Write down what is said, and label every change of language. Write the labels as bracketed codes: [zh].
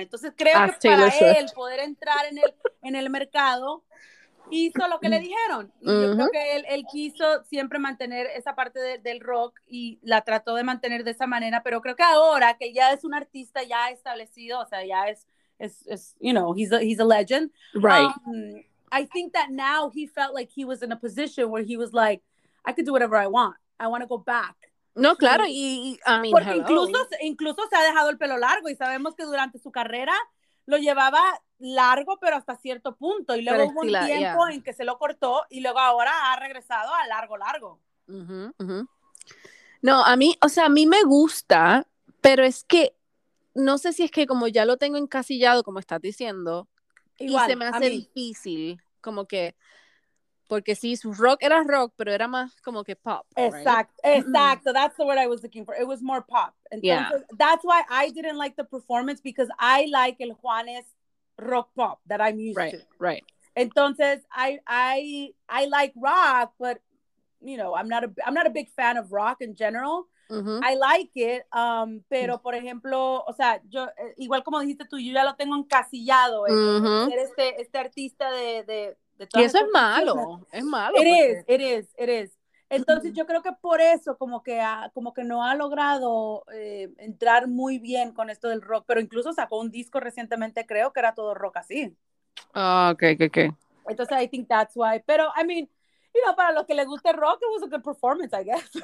[es] Entonces creo que para él poder entrar en el mercado, hizo lo que le dijeron. Uh-huh. Yo creo que él quiso siempre mantener esa parte del rock y la trató de mantener de esa manera, pero creo que ahora que ya es un artista ya establecido, o sea, ya es [en] you know, he's a legend. Right. I think that now he felt like he was in a position where he was like, I could do whatever I want. I want to go back. [es] No, claro, y [en] I mean, [es] porque hello. incluso se ha dejado el pelo largo y sabemos que durante su carrera lo llevaba largo, pero hasta cierto punto. Y luego hubo un tiempo en que se lo cortó y luego ahora ha regresado a largo, largo. Uh-huh, uh-huh. No, a mí me gusta, pero es que no sé si es que como ya lo tengo encasillado, como estás diciendo, igual, y se me hace difícil, como que, porque sí, su rock era rock, pero era más como que pop. Exacto, [en] right? [es] Exacto. [en] That's the word I was looking for. It was more pop. Entonces, yeah. That's why I didn't like the performance, because I like el Juanes rock pop that I'm used right, to. Right. Entonces, I like rock, but, you know, I'm not a big fan of rock in general. Mm-hmm. I like it, [es] pero por ejemplo, o sea, yo igual como dijiste tú, yo ya lo tengo encasillado, mm-hmm. este artista de todas. Y eso es malo, cosas. Es malo. [en] It is. [es] Entonces yo creo que por eso como que no ha logrado entrar muy bien con esto del rock, pero incluso sacó un disco recientemente, creo que era todo rock así. [en] Ah, okay. Entonces I think that's why, pero I mean, you know, [es] para los que les guste rock, [en] it was a good performance, I guess.